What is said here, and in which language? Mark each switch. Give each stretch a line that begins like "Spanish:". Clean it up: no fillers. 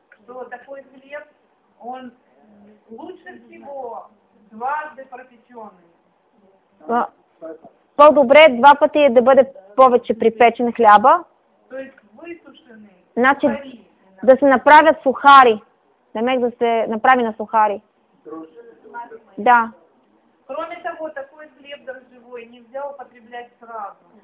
Russian: Что такой хлеб, он лучше всего дважды пропеченный.
Bulgarian: По-добре два пъти е да бъде повече припечен хляба.
Russian: То есть высушенный.
Bulgarian: Значи, да се направят сухари. Намек да се направи на сухари. Да.
Russian: Кроме того, такой хлеб дрожжевой нельзя употреблять сразу.